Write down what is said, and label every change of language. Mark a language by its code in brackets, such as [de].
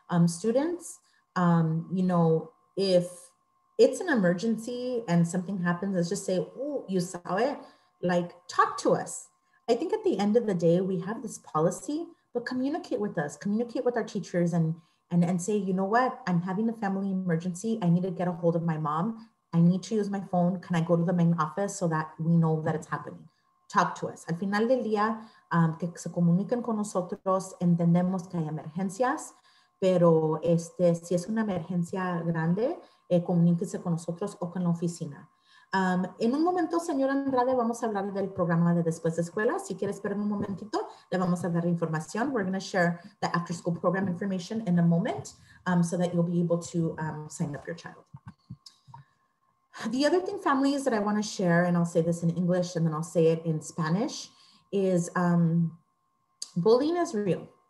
[en] Students, if it's an emergency and something happens, let's just say, oh, you saw it, like, talk to us. I think at the end of the day, we have this policy, but communicate with us, communicate with our teachers and and say, you know what, I'm having a family emergency. I need to get a hold of my mom. I need to use my phone. Can I go to the main office so that we know that it's happening? Talk to us. [es] Al final del día, que se comuniquen con nosotros, entendemos que hay emergencias, pero si es una emergencia grande, comuníquense con nosotros o con la oficina. En un momento, señora Andrade, vamos a hablar del programa de Después de Escuela. Si quiere esperar un momentito, le vamos a dar información. [en] We're going to share the after school program information in a moment so that you'll be able to sign up your child. The other thing, families, that I want to share, and I'll say this in English and then I'll say it in Spanish, is bullying is real.